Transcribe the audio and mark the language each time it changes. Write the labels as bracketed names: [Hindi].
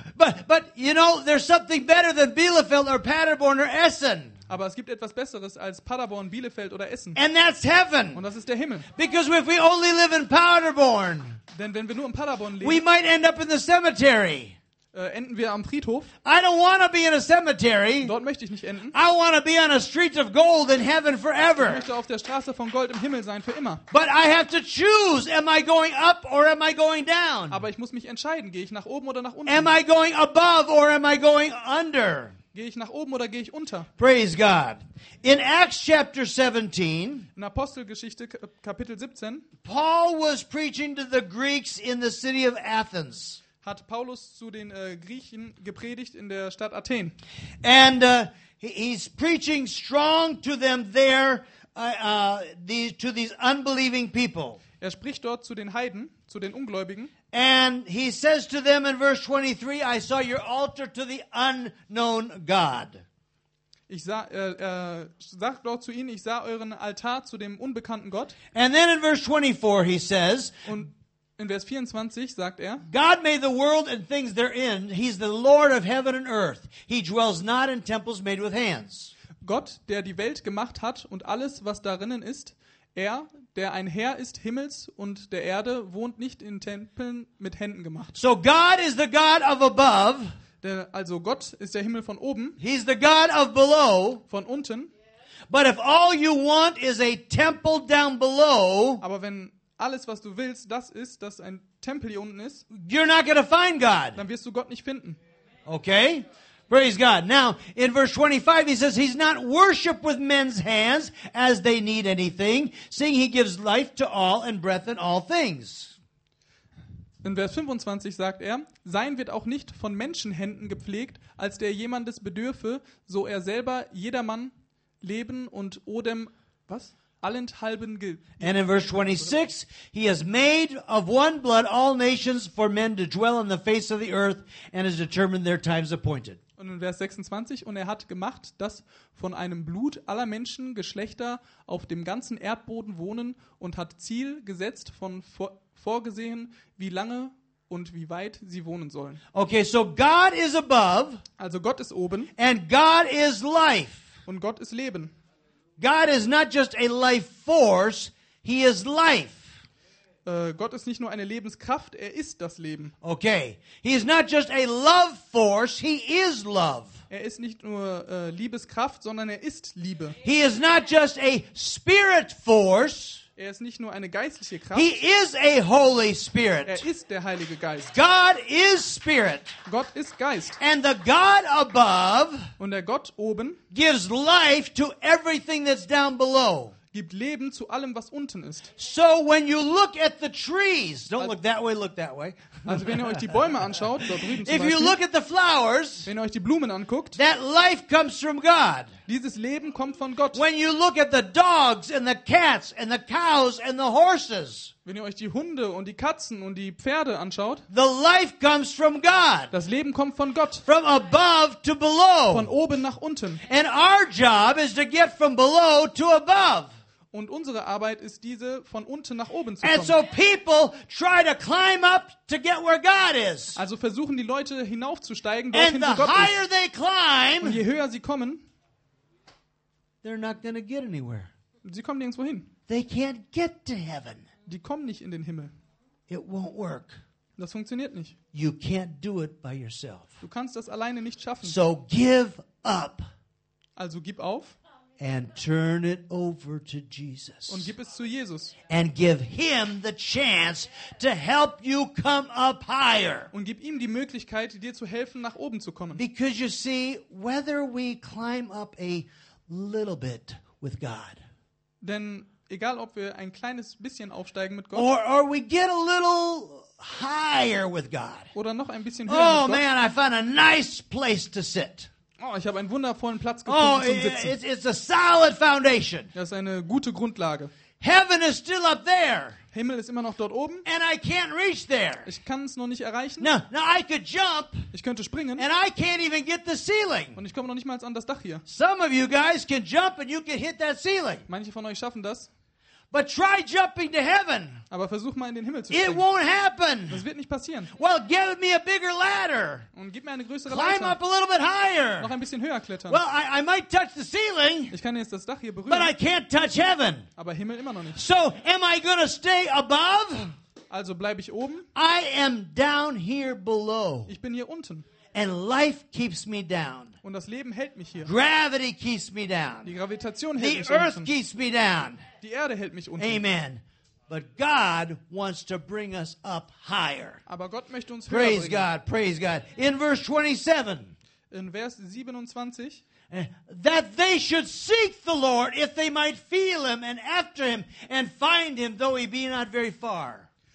[English] But you know, there's something better than Bielefeld or Paderborn or Essen. [German] Aber es gibt etwas Besseres als Paderborn, Bielefeld oder Essen. [English] And that's heaven. [German] Und das ist der Himmel. [English] Because if we only live in Paderborn, [German] denn wenn wir nur in Paderborn leben, [English] we might end up in the cemetery. [German] Enden wir am Friedhof? [English] I don't want to be in a cemetery. [German] Dort möchte ich nicht enden. [English] I want to be on a street of gold in heaven forever. [German] Ich möchte auf der Straße von Gold im Himmel sein für immer. [English] But I have to choose, am I going up or am I going down? [German] Aber ich muss mich entscheiden, gehe ich nach oben oder nach unten? [English] Am I going above or am I going under? [German] Gehe ich nach oben oder gehe ich unter? [English] Praise God. In Acts chapter 17, [German] in Apostelgeschichte Kapitel 17, [English] Paul was preaching to the Greeks in the city of Athens. [German] Hat Paulus zu den Griechen gepredigt in der Stadt Athen. [English] And he's preaching strong to them there to these unbelieving people. [German] Er spricht dort zu den Heiden, zu den Ungläubigen. [English] And he says to them in verse 23, I saw your altar to the unknown God. [German] Ich sah sagt dort zu ihnen, ich sah euren Altar zu dem unbekannten Gott. [English] And then in verse 24 he says, [German] und in Vers 24 sagt er, [English] God made the world and things therein. He's the Lord of heaven and earth. He dwells not in temples made with hands. [German] Gott, der die Welt gemacht hat und alles, was darinnen ist, er, der ein Herr ist Himmels und der Erde, wohnt nicht in Tempeln mit Händen gemacht. [English] So God is the God of above. [German] Also Gott ist der Himmel von oben. [English] He's the God of below. [German] Von unten. [English] But if all you want is a temple down below, [German] aber wenn alles, was du willst, das ist, dass ein Tempel hier unten ist. [English] You're not going to find God. [German] Dann wirst du Gott nicht finden. [English] Okay? Praise God. Now, in verse 25, he says, he's not worshipped with men's hands as they need anything, seeing he gives life to all and breath in all things. [German] In Vers 25 sagt er, sein wird auch nicht von Menschenhänden gepflegt, als der jemandes bedürfe, so er selber jedermann Leben und Odem, was? Allenthalben gilt. [English] And in verse 26, he has made of one blood all nations for men to dwell on the face of the earth and has determined their times appointed. [German] Und in Vers 26, und er hat gemacht, dass von einem Blut aller Menschen Geschlechter auf dem ganzen Erdboden wohnen und hat Ziel gesetzt von vorgesehen, wie lange und wie weit sie wohnen sollen. [English] Okay, so God is above. [German] Also Gott ist oben. [English] And God is life. [German] Und Gott ist Leben. [English] God is not just a life force, he is life. [German] Gott ist nicht nur eine Lebenskraft, er ist das Leben. [English] Okay. He is not just a love force, he is love. [German] Er ist nicht nur Liebeskraft, sondern er ist Liebe. [English] He is not just a spirit force. [German] Er ist nicht nur eine geistliche Kraft. [English] He is a Holy Spirit. [German] Er ist der Heilige Geist. [English] God is Spirit. [German] Gott ist Geist. [English] And the God above, [German] und der Gott oben, [English] gives life to everything that's down below. [German] Gibt Leben zu allem, was unten ist. [English] So when you look at the trees, don't look that way, look that way. [German] Also wenn ihr euch die Bäume anschaut, dort drüben zum Beispiel, [English] you look at the flowers, [German] wenn ihr euch die Blumen anguckt, [English] that life comes from God. [German] Dieses Leben kommt von Gott. [English] When you look at the dogs and the cats and the cows and the horses, [German] wenn ihr euch die Hunde und die Katzen und die Pferde anschaut, [English] the life comes from God. [German] Das Leben kommt von Gott. [English] From above to below. [German] Von oben nach unten. [English] And our job is to get from below to above. [German] Und unsere Arbeit ist diese, von unten nach oben zu kommen. [English] And so people try to climb up to get where God is. [German] Also versuchen die Leute hinaufzusteigen, dorthin, wo Gott [English] higher they climb, [German] ist. Und je höher sie kommen, [English] they're not gonna get anywhere. [German] Sie kommen nirgendwo hin. [English] They can't get to heaven. [German] Die kommen nicht in den Himmel. [English] It won't work. [German] Das funktioniert nicht. [English] You can't do it by yourself. [German] Du kannst das alleine nicht schaffen. [English] So give up. [German] Also gib auf. [English] And turn it over to Jesus. [German] Und gib es zu Jesus. [English] And give him the chance to help you come up higher. [German] Und gib ihm die Möglichkeit, dir zu helfen, nach oben zu kommen. [English] Because you see, whether we climb up a little bit with God. [German] Denn egal, ob wir ein kleines bisschen aufsteigen mit Gott. [English] Or we get a little higher with God. [German] Oder noch ein bisschen höher mit Gott. [English] Oh man, I found a nice place to sit. [German] Oh, ich habe einen wundervollen Platz gefunden zum Sitzen. [English] It's a solid foundation. [German] Das ist eine gute Grundlage. [English] Heaven is still up there. [German] Himmel ist immer noch dort oben. [English] And I can't reach there. [German] Ich kann es noch nicht erreichen. [English] No, I could jump. [German] Ich könnte springen. [English] And I can't even get the ceiling. [German] Und ich komme noch nicht mal an das Dach hier. [English] Some of you guys can jump and you can hit that ceiling. [German] Manche von euch schaffen das. [English] But try jumping to heaven. [German] Aber versuch mal in den Himmel zu springen. [English] It won't happen. [German] Das wird nicht passieren. [English] Well, give me a bigger ladder. [German] Und gib mir eine größere Leiter. [English] Climb up a little bit higher. [German] Noch ein bisschen höher klettern. [English] Well, I might touch the ceiling. [German] Ich kann jetzt das Dach hier berühren. [English] But I can't touch heaven. [German] Aber Himmel immer noch nicht. [English] So, am I gonna stay above? [German] Also bleibe ich oben? [English] I am down here below. [German] Ich bin hier unten. [English] And life keeps me down. [German] Und das Leben hält mich hier. [English] Gravity keeps me down. [German] Die Gravitation hält [English] the [German] mich unten. [English] The earth keeps me down. [German] Die Erde hält mich unten. [English] Amen. But God wants to bring us up higher. [German] Aber Gott möchte uns [English] praise [German] höher bringen. [English] God, praise God. In verse 27. [German] In Vers 27. [English] That they should seek the Lord, if they might feel him and after him and find him, though he be not very far.